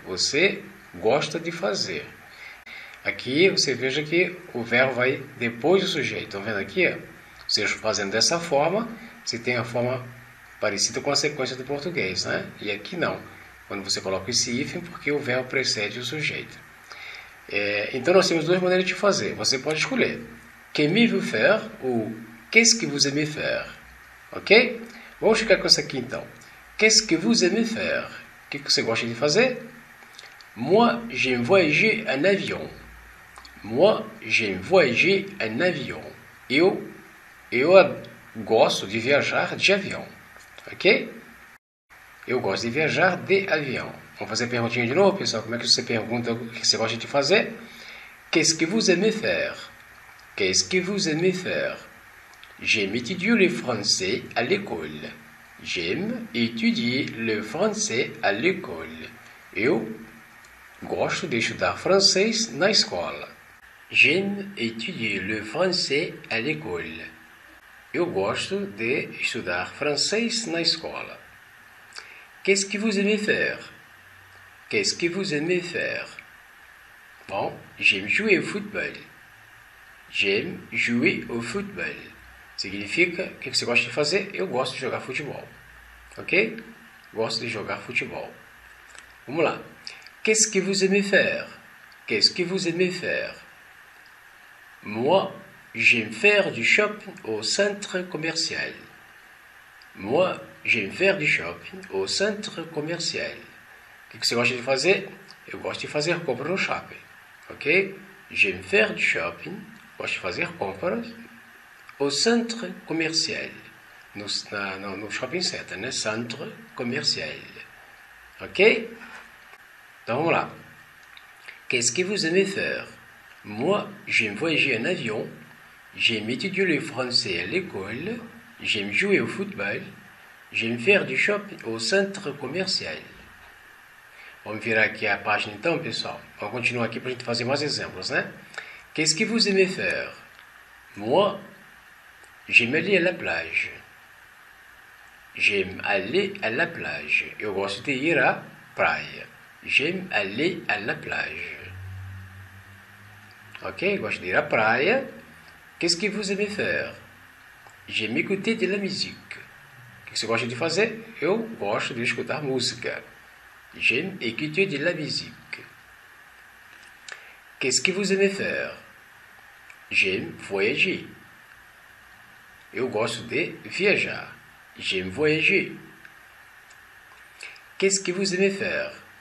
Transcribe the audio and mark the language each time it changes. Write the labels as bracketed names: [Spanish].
[Portuguese] Você gosta de fazer. Aqui você veja que o verbo vai depois do sujeito. Estão vendo aqui? Você fazendo dessa forma, você tem a forma parecida com a sequência do português, né? E aqui não. Quando você coloca esse hífen, porque o verbo precede o sujeito. Então nós temos duas maneiras de fazer. Você pode escolher [French] qu'aimez-vous faire [Portuguese] ou [French] qu'est-ce que vous aimez faire. [Portuguese] Ok? Vamos ficar com essa aqui então. [French] Qu'est-ce que vous aimez faire? [Portuguese] O que você gosta de fazer? [French] Moi, j'aime voyager en avion. Moi, j'aime voyager en avion. [Portuguese] Eu gosto de viajar de avião. Ok? Eu gosto de viajar de avião. Vamos fazer a perguntinha de novo, pessoal. Como é que você pergunta o que você gosta de fazer? [French] Qu'est-ce que vous aimez faire? Qu'est-ce que vous aimez faire? J'aime étudier le français à l'école. J'aime étudier le français à l'école. [Portuguese] Eu gosto de estudar francês na escola. [French] J'aime étudier le français à l'école. [Portuguese] Eu gosto de estudar francês na escola. [French] Qu'est-ce que vous aimez faire? Qu'est-ce que vous aimez faire? [Portuguese] Bom, [French] j'aime jouer au football. J'aime jouer au football. [Portuguese] Significa, o que você gosta de fazer? Eu gosto de jogar futebol. Ok? Gosto de jogar futebol. Vamos lá. [French] Qu'est-ce que vous aimez faire? Qu'est-ce que vous aimez faire? Moi, j'aime faire du shopping au centre commercial. Moi, j'aime faire du shopping au centre commercial. [Portuguese] O que você gosta de fazer? Eu gosto de fazer compras no shopping. Ok? [French] J'aime faire du shopping. [Portuguese] Gosto de fazer compras [French] au centre commercial. [Portuguese] No shopping center, né? [French] Centre commercial. [Portuguese] Ok? Então vamos lá. [French] Qu'est-ce que vous aimez faire? Moi, j'aime voyager en avion. J'aime étudier le français à l'école. J'aime jouer au football. J'aime faire du shopping au centre commercial. [Portuguese] Vamos virar aqui a página então, pessoal. Vamos continuar aqui para a gente fazer mais exemplos, né? [French] Qu'est-ce que vous aimez faire? Moi, j'aime aller à la plage. J'aime aller à la plage. [Portuguese] Eu gosto de ir à praia. [French] J'aime aller à la plage. [Portuguese] Ok? Gosto de ir à praia. [French] Qu'est-ce que vous aimez faire? J'aime écouter de la musique. [Portuguese] O que você gosta de fazer? Eu gosto de escutar música. [French] J'aime écouter de la musique. Qu'est-ce que vous aimez faire? J'aime voyager. [Portuguese] Eu gosto de viajar. [French] J'aime voyager. Qu'est-ce que vous aimez faire?